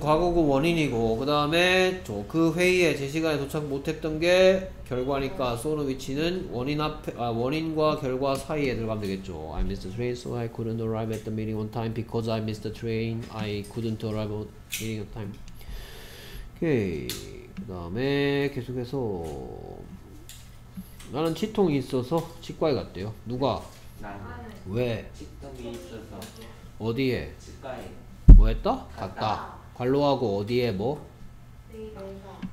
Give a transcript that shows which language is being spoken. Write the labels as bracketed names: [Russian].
[Korean] 과거고 원인이고 그 다음에 그 회의에 제 시간에 도착 못했던 게 결과니까 so는 위치는 원인 앞에, 원인과 결과 사이에 들어가면 되겠죠. [English] I missed the train, so I couldn't arrive at the meeting on time because I missed the train. I couldn't arrive at the meeting on time. [Korean] 오케이. 그 다음에 계속해서 나는 치통이 있어서 치과에 갔대요. 누가? 나는. 왜? 치통이 있어서. 어디에? 치과에. 뭐 했다? 갔다. 관로하고 어디에 뭐? 내일에서.